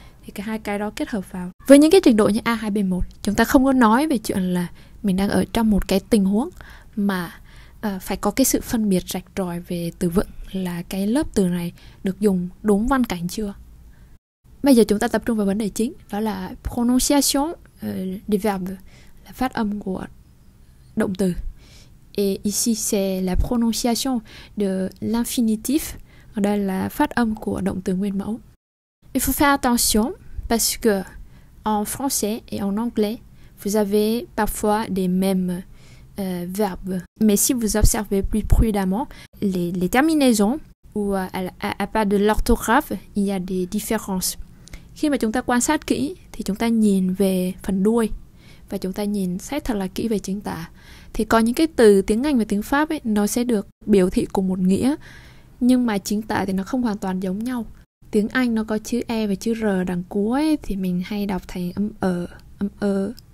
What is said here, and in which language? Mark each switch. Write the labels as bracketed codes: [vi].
[vi] Thì cái hai cái đó kết hợp vào. Với những cái trình độ như A2, B1, chúng ta không có nói về chuyện là mình đang ở trong một cái tình huống mà phải có cái sự phân biệt rạch ròi về từ vựng là cái lớp từ này được dùng đúng văn cảnh chưa. Bây giờ chúng ta tập trung vào vấn đề chính, đó là [fr] prononciation des verbes, [vi] là phát âm của động từ. [fr] Et ici c'est la prononciation de l'infinitif. [vi] Ở đây là phát âm của động từ nguyên mẫu. [fr] Il faut faire attention parce que en français et en anglais, vous avez parfois des mêmes verbes. Mais si vous observez plus prudemment les terminaisons ou à part de l'orthographe, il y a des différences. [vi] Khi mà chúng ta quan sát kỹ thì chúng ta nhìn về phần đuôi và chúng ta nhìn xét thật là kỹ về chính tả. Thì có những cái từ tiếng Anh và tiếng Pháp ấy, nó sẽ được biểu thị cùng một nghĩa, nhưng mà chính tả thì nó không hoàn toàn giống nhau. Tiếng Anh nó có chữ E và chữ R đằng cuối thì mình hay đọc thành âm ờ, âm ơ.